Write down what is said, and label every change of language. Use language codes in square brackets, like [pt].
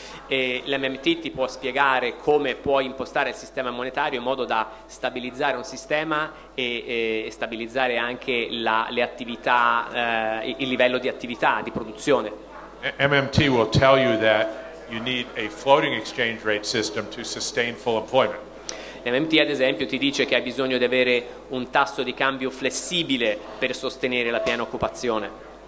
[it] E l'MMT ti può spiegare come può impostare il sistema monetario in modo da stabilizzare un sistema e stabilizzare anche le attività, il livello di attività, di produzione. [en] MMT will tell you that you need a floating exchange rate system to sustain full employment. [it] L'MMT, ad esempio, ti dice che hai bisogno di avere un tasso di cambio flessibile per sostenere la piena occupazione.